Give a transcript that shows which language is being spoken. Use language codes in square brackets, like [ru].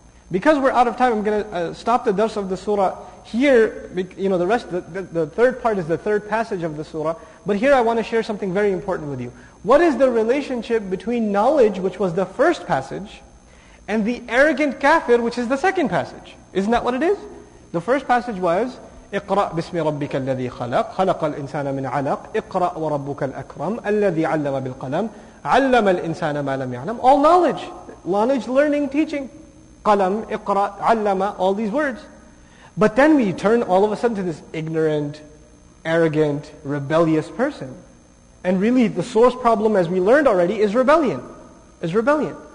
[en] Because we're out of time, I'm going to stop the dars of the surah here. You know, the rest, the third part is the third passage of the surah. But here I want to share something very important with you. What is the relationship between knowledge, which was the first passage, and the arrogant kafir, which is the second passage? Isn't that what it is? The first passage was, [ar] اقرأ بسم ربك الذي خلق خلق الإنسان من علق اقرأ وربك الأكرم الذي علم بالقلم علم الإنسان ما لم يعلم. [en] All knowledge. Knowledge, learning, teaching. [ar] قَلَمْ اِقْرَأْ عَلَّمَ, [en] all these words. But then we turn all of a sudden to this ignorant, arrogant, rebellious person. And really the source problem, as we learned already, is rebellion. Is rebellion.